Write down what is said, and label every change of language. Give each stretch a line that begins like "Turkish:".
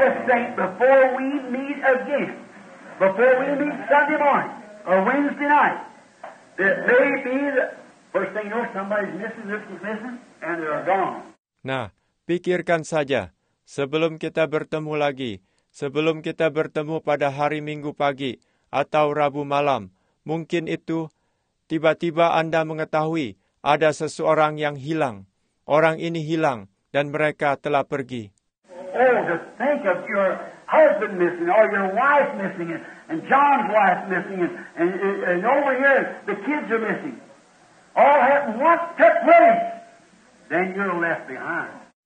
English: Before we meet again, before we meet Sunday morning or Wednesday night, that may be the first thing you know, somebody's missing, missing, and they're gone.
Indonesian: Nah, pikirkan saja, sebelum kita bertemu lagi, sebelum kita bertemu pada hari Minggu pagi atau Rabu malam, mungkin itu tiba-tiba Anda mengetahui ada seseorang yang hilang. Orang ini hilang dan mereka telah pergi.
English: Oh, to think of your husband missing, or your wife missing, and John's wife missing, and over here the kids are missing. All happened, what took place? Then you're left behind.